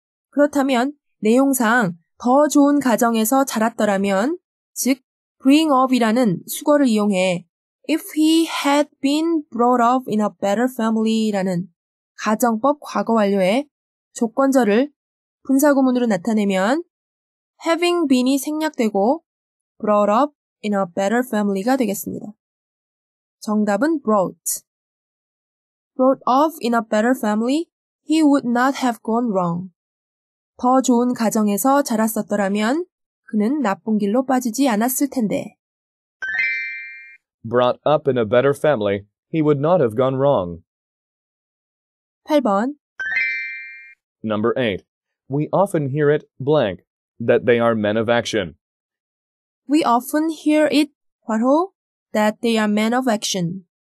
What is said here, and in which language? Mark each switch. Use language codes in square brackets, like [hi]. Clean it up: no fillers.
[ko] 그렇다면 내용상 더 좋은 가정에서 자랐더라면 즉 bring up이라는 수거를 이용해 [en] if he had been brought up in a better family [ko] 라는 가정법 과거 완료의 조건절을 분사구문으로 나타내면 [en] having been [ko] 이 생략되고 [en] brought up in a better family [ko] 가 되겠습니다. 정답은 brought. [en] Brought up in a better family, he would not have gone wrong. [ko] 더 좋은 가정에서 자랐었더라면 그는 나쁜 길로 빠지지 않았을 텐데. [en] Brought up in a better family, he would not have gone wrong. [ko] 8번 [en] Number 8. We often hear it blank, that they are men of action. We often hear it, 괄호, that they are men of action.